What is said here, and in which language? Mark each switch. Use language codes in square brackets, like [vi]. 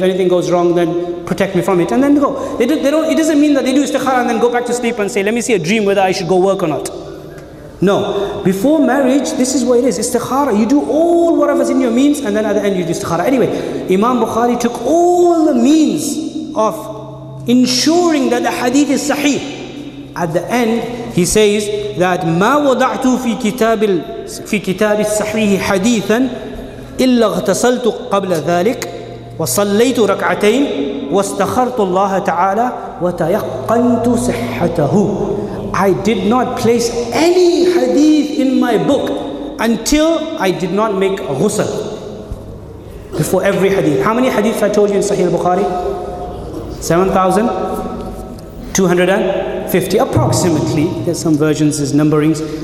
[en] If anything goes wrong, then protect me from it. And then go. It doesn't mean that they do istikhara and then go back to sleep and say, let me see a dream whether I should go work or not. No. Before marriage, this is what it is. Istikhara. You do all whatever's in your means, and then at the end you do istikhara. Anyway, Imam Bukhari took all the means of ensuring that the hadith is sahih. At the end, he says that [ar] ما وضعت في كتاب الصحيح حديثا إلا اغتسلت قبل ذلك وصليت ركعتين واستخرت الله تعالى وتيقنت صحته. [en] I did not place any hadith in my book until I did not make a ghusl before every hadith. How many hadiths I told you in Sahih al-Bukhari? 7,000? 250 approximately. There's some versions, there's numberings.